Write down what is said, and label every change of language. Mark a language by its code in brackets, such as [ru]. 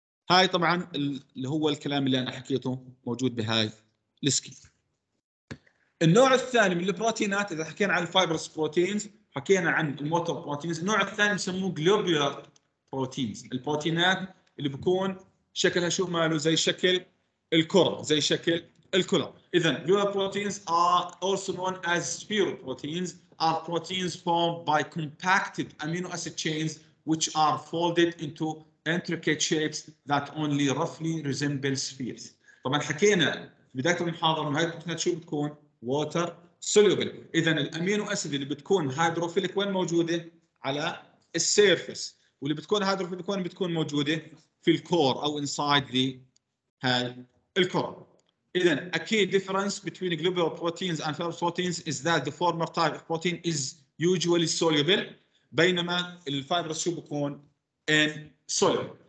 [ar] هاي طبعا اللي هو الكلام اللي انا حكيته موجود بهاي السكيل. النوع الثاني من البروتينات، اذا حكينا عن الفايبرس بروتينز حكينا عن الموتور بروتينز، النوع الثاني بسموه جلوبولار بروتينز، البروتينات اللي بكون شكلها شو ماله؟ زي شكل الكره، زي شكل الكره. اذا جلوبولار بروتينز [en] are also known as spheroid proteins are proteins formed by compacted amino acid chains which are folded into intricate shapes that only roughly resemble spheres. [ar] طبعا حكينا بدايه المحاضره انه هاي البروتينات شو بتكون؟ ووتر سوليوبل. اذا الامينو اسيد اللي بتكون هيدروفيلك وين موجوده؟ على السيرفس. واللي بتكون هيدروفيلك وين بتكون موجوده؟ في الكور او انسايد ذا هاي الكور. اذا اكيد ديفرنس بتوين جلوبال بروتينز اند فيرم بروتينز از ذات ذا فورمر تايب اوف بروتين از يوجوالي سوليوبل، بينما الفايبرس شو بكون؟ ان سوليوبل.